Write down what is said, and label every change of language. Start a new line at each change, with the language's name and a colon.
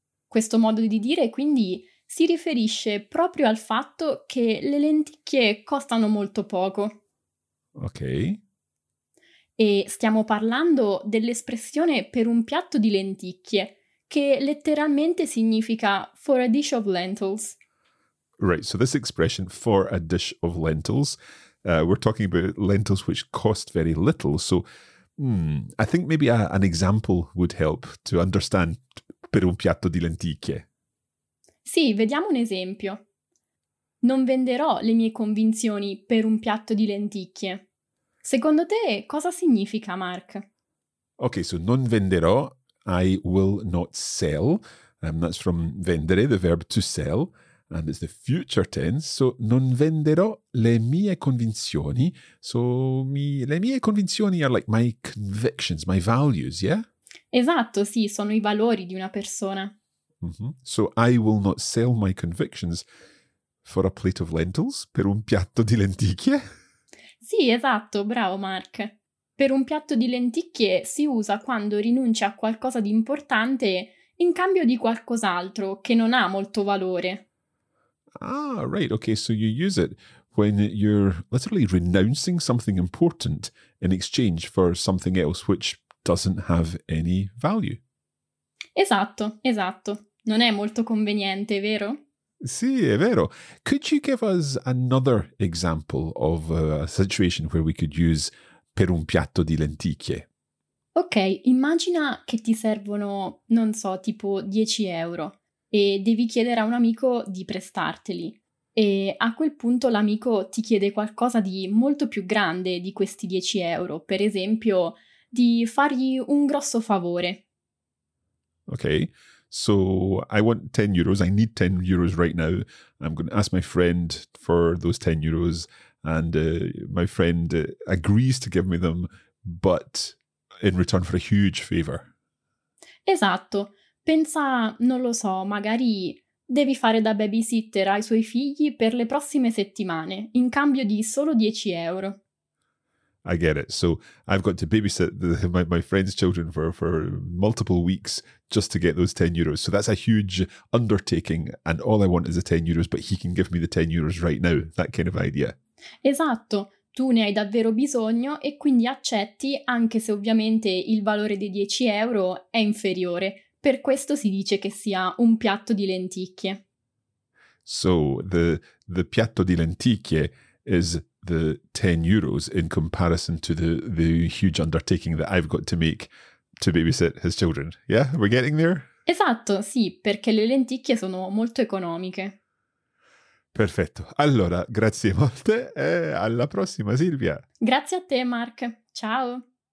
Italian: Questo modo di dire, quindi, si riferisce proprio al fatto che le lenticchie costano molto poco.
English: Okay.
Italian: E stiamo parlando dell'espressione per un piatto di lenticchie, che letteralmente significa
English: for a dish of lentils. Right, so this expression, for a dish of lentils, we're talking about lentils which cost very little. So I think maybe an example would help to understand
Italian: per un piatto di lenticchie. Sì, vediamo un esempio. Non venderò le mie convinzioni per un piatto di lenticchie. Secondo te cosa significa, Mark?
English: Okay, so
Italian: non venderò,
English: I will not sell. That's from vendere, the verb to sell. and it's the future tense, so
Italian: non venderò le mie convinzioni.
English: So
Italian: le mie convinzioni
English: are like my convictions, my values, yeah?
Italian: Esatto, sì, sono i valori di una persona.
English: Mm-hmm. So I will not sell my convictions for a plate of lentils,
Italian: per un piatto di lenticchie. Sì, esatto, bravo Mark. Per un piatto di lenticchie si usa quando rinuncia a qualcosa di importante in cambio di qualcos'altro che non ha molto valore.
English: Ah, right, okay, so you use it when you're literally renouncing something important in exchange for something else which doesn't have any value.
Italian: Esatto, esatto. Non è molto conveniente, vero? Sì, è vero.
English: Could you give us another example of a situation where we could use
Italian: per un piatto di lenticchie? Ok, immagina che ti servono, non so, tipo 10 euro e devi chiedere a un amico di prestarteli. E a quel punto l'amico ti chiede qualcosa di molto più grande di questi 10 euro, per esempio di fargli un grosso favore.
English: Ok, so I want 10 euros, I need 10 euros right now. I'm going to ask my friend for those 10 euros and my friend agrees to give me them, but in return for a huge favor.
Italian: Esatto, pensa, non lo so, magari devi fare da babysitter ai suoi figli per le prossime settimane, in cambio di solo 10 euro.
English: I get it. So I've got to babysit my friend's children for multiple weeks just to get those 10 euros. So that's a huge undertaking and all I want is the 10 euros, but he can give me the 10 euros right now. That kind of idea.
Italian: Esatto. Tu ne hai davvero bisogno e quindi accetti, anche se ovviamente il valore dei 10 euro è inferiore. Per questo si dice che sia un piatto di lenticchie.
English: So the
Italian: piatto di lenticchie
English: is the 10 euros in comparison to the huge undertaking that I've got to make to babysit his children. Yeah, we're getting there?
Italian: Esatto, sì, perché le lenticchie sono molto economiche. Perfetto. Allora, grazie molte e alla prossima, Silvia. Grazie a te, Mark. Ciao.